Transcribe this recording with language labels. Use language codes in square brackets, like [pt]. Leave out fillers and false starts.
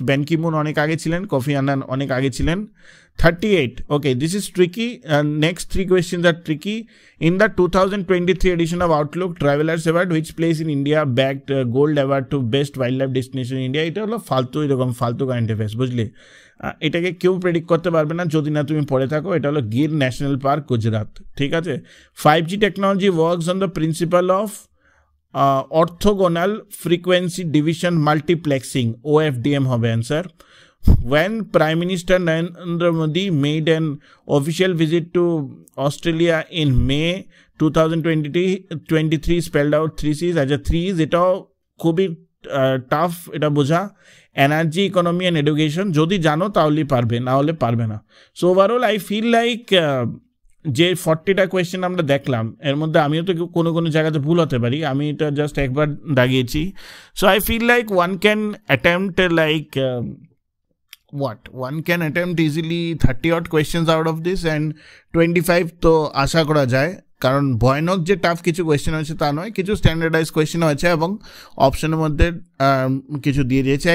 [bn] Ban Ki-moon onek age chilen, Kofi Annan onek age chilen. [en] 38, okay, this is tricky. Next three questions are tricky. In the 2023 edition of Outlook Travelers Award, which place in India bagged gold award to best wildlife destination in India? [bn] Ita holo faltu irokom, faltu [en] kind of face, [bn] bujhle. এটাকে কেউ predict করতে পারবে না যদি না তুমি পড়ে থাকো। এটা হলো গির ন্যাশনাল পার্ক, গুজরাট, ঠিক আছে। [en] 5G technology works on the principal of orthogonal frequency division multiplexing, OFDM হবে answer. When Prime Minister Narendra Modi made an official visit to Australia in May 2023, spelled out 3 C's as a 3 E's, [bn] এটাও খুবই tough এটা বোঝা। Energy, economy and education যদি জানো তাহলেই পারবে, না হলে পারবে না। [en] so overall I feel like [bn] যে 40 কোয়েশ্চেন আমরা দেখলাম, এর মধ্যে আমিও তো কোনো কোনো জায়গাতে ভুল হতে পারি, আমি এটা জাস্ট একবার দাগিয়েছি। [en] so I feel like one can attempt like what one can attempt easily 30 questions out of this, [bn] and 25 তো আশা করা যায়, কারণ ভয়ানক যে টাফ কিছু কোয়েশ্চেন হয়েছে তা নয়, কিছু স্ট্যান্ডার্ডাইজ কোয়েশ্চেন হয়েছে এবং অপশনের মধ্যে কিছু দিয়ে দিয়েছে।